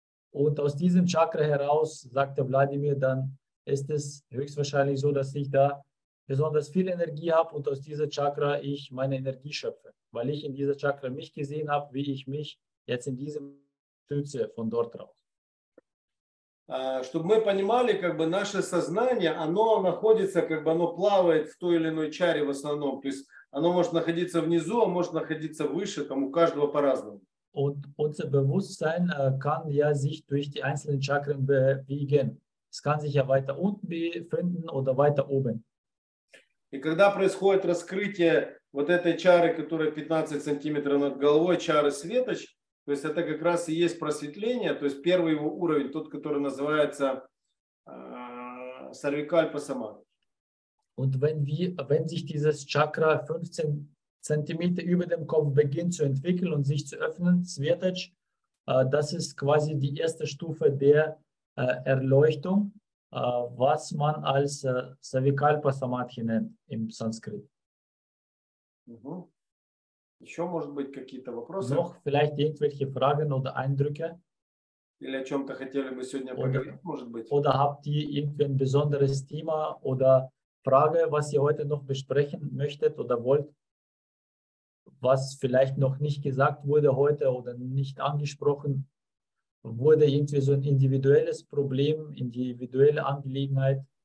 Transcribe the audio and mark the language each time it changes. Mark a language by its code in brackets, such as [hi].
[de] Und aus diesem Chakra heraus, sagte Wladimir, dann ist es höchstwahrscheinlich so, dass ich da besonders viel Energie habe und aus dieser Chakra ich meine Energie schöpfe, weil ich in dieser Chakra mich gesehen habe, wie ich mich jetzt in diesem stütze von dort raus. [ru] Чтобы мы понимали, как бы наше сознание, оно находится, как бы оно плавает в той или иной чаре в основном. То есть оно может находиться внизу, а может находиться выше, там у каждого по-разному. [de] Und unser Bewusstsein kann ja sich durch die einzelnen Chakren bewegen. Es kann sich ja weiter unten befinden oder weiter oben. [ru] И когда происходит раскрытие вот этой чары, которая 15 сантиметров над головой, чары светоч, то есть это как раз и есть просветление, то есть первый его уровень, тот, который называется Сарвикальпа Самадхи. [de] Und wenn sich dieses Chakra 15 cm über dem Kopf beginnt zu entwickeln und sich zu öffnen, Svetach, das ist quasi die erste Stufe der Erleuchtung, was man als Savikalpa Samadhi nennt im Sanskrit. Mhm. [ru] Еще, может быть, какие-то вопросы? [de] Noch vielleicht irgendwelche Fragen oder Eindrücke? [ru] Или о чем-то хотели бы сегодня поговорить, может быть? [de] Oder habt ihr irgendwie ein besonderes Thema oder Frage, was ihr heute noch besprechen möchtet oder wollt, was vielleicht noch nicht gesagt wurde heute oder nicht angesprochen wurde, irgendwie so ein individuelles Problem, individuelle Angelegenheit.